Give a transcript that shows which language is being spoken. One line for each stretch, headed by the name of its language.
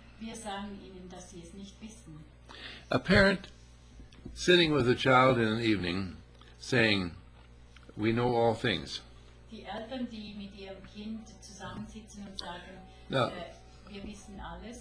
German: Wir sagen ihnen, dass sie es nicht wissen.
English: A parent sitting with a child in an evening saying, we know all things.
German: die Eltern, die mit ihrem Kind zusammensitzen und sagen,
English: now,
German: wir wissen alles.